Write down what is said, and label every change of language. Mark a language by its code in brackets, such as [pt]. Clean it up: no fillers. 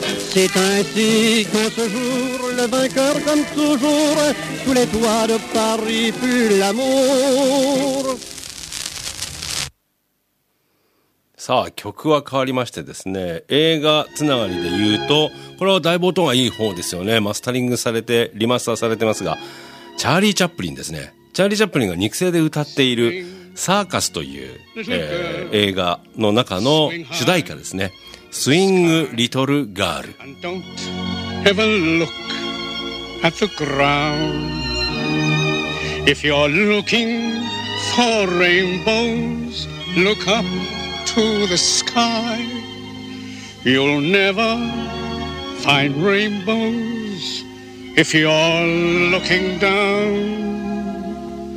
[fr] C'est ainsi qu'en ce jour, le vainqueur comme toujours, sous les toits de Paris fut l'amour. [ja] さあ曲は変わりましてですね、映画つながりで言うと、これはだいぶ音がいい方ですよね。マスタリングされてリマスターされてますが、チャーリー・チャップリンですね。チャーリー・チャップリンが肉声で歌っているサーカスという、映画の中の主題歌ですね。スイングリトルガール。 [en] And don't ever look at the ground. If you're looking for rainbows, look up to the sky. You'll never find rainbows if you're looking down.